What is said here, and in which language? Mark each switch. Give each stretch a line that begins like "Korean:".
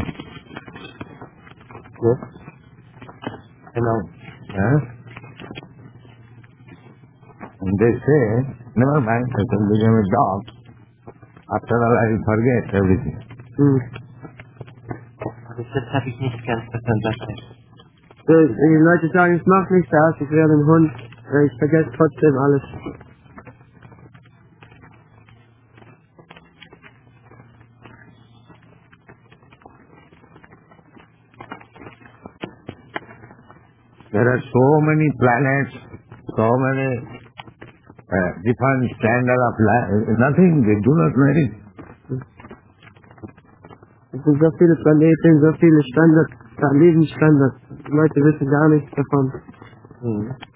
English: Yes? Hello? Huh? And they say, never mind, I can become a dog. After all, I will forget everything.
German: Die Leute sagen, es macht nichts aus, ich werde ein Hund. Ich vergesse trotzdem alles.
English: There are so many planets, so many different standard of life. Nothing, they do not know it.
German: Es sind so viele Planeten, so viele Standards, Lebensstandards. Die Leute wissen gar nichts davon.